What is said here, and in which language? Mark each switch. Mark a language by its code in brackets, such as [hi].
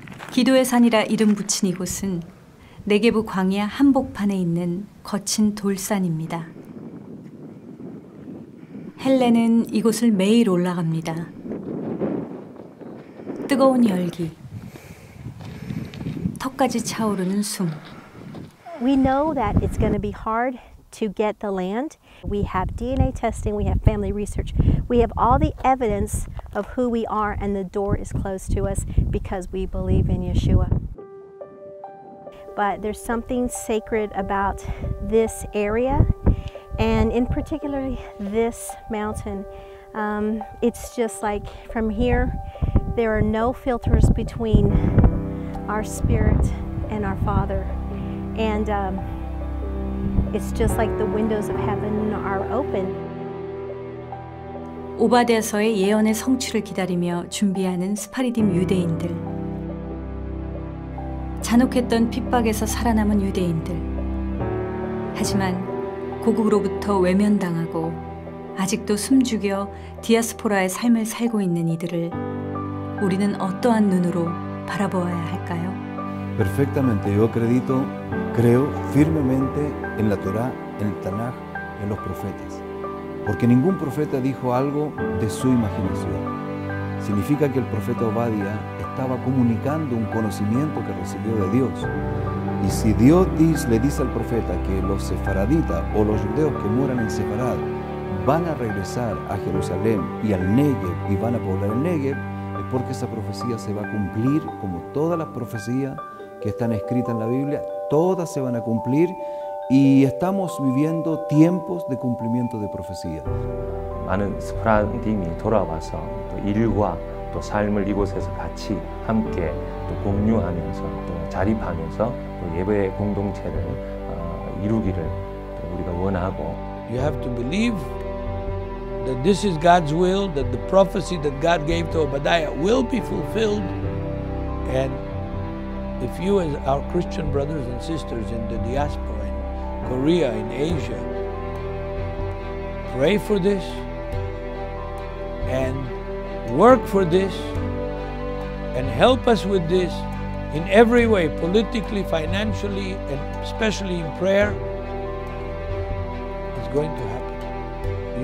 [ko] 기도의 산이라 이름 붙인 이곳은 네게부 광야 한복판에 있는 거친 돌산입니다. 헬렌은 이곳을 매일 올라갑니다. 뜨거운 열기, 턱까지 차오르는 숨. [en] We know that it's going to be hard to get the land. We have DNA testing, we have family research. We have all the evidence of who we are and the door is closed to us because we believe in Yeshua. But there's something sacred about this area and in particular this mountain. It's just like from here, there are no filters between our spirit and our Father. And it's just like the windows of heaven are open. [ko] 오바댜서의 예언의 성취를 기다리며 준비하는 스파리딤 유대인들. 잔혹했던 핍박에서 살아남은 유대인들. 하지만 고국으로부터 외면당하고 아직도 숨죽여 디아스포라의 삶을 살고 있는 이들을 우리는 어떠한 눈으로 바라보아야 할까요? [es] Perfectamente yo acredito, creo firmemente en la Torá, en el Tanaj, en los profetas. Porque ningún profeta dijo algo de su imaginación. Significa que el profeta Obadiah estaba comunicando un conocimiento que recibió de Dios. Y si Dios le dice al profeta que los sefaraditas o los judeos que mueran en Sefarad van a regresar a Jerusalén y al Negev y van a poblar el Negev, es porque esa profecía se va a cumplir como todas las profecías que están escritas en la Biblia, todas se van a cumplir y estamos viviendo tiempos de cumplimiento de profecía. [ko] 많은 스프라딤이 돌아와서 또 일과 또 삶을 이곳에서 같이 함께 또 공유하면서 또 자립하면서 또 예배 공동체를 이루기를 또 우리가 원하고. [en] You have to believe that this is God's will, that the prophecy that God gave to Obadiah will be fulfilled. And if you as our Christian brothers and sisters in the diaspora, in Korea, in Asia, pray for this, and work for this, and help us with this in every way, politically, financially, and especially in prayer, it's going to happen.